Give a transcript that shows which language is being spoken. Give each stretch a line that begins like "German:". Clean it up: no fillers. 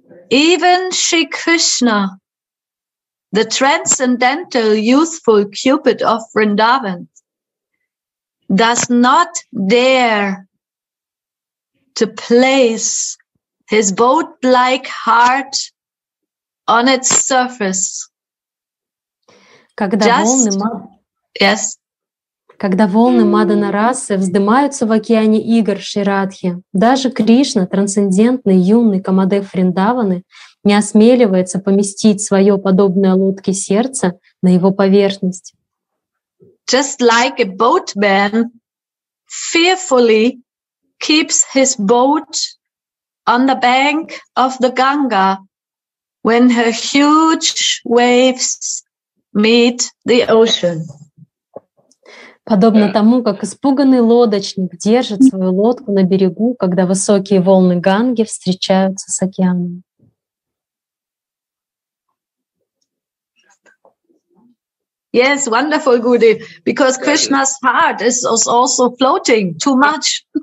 English: even Sri Krishna, the transcendental youthful Cupid of Vrindavan, does not dare to place his boat-like heart on its surface.
Russian: Когда волны,
English: yes.
Russian: Когда волны Маданарасы вздымаются в океане игр Ширадхи, даже Кришна, трансцендентный юный Камадев Вриндаваны, не осмеливается поместить свое подобное лодке сердца на его поверхность.
English: Just like a boatman fearfully keeps his boat on the bank of the Ganga when her huge waves meet the ocean.
Russian: Подобно тому, как испуганный лодочник держит свою лодку на берегу, когда высокие волны Ганги встречаются с океаном.
English: Yes, wonderful, Gurudev, because Krishna's heart is also floating too much.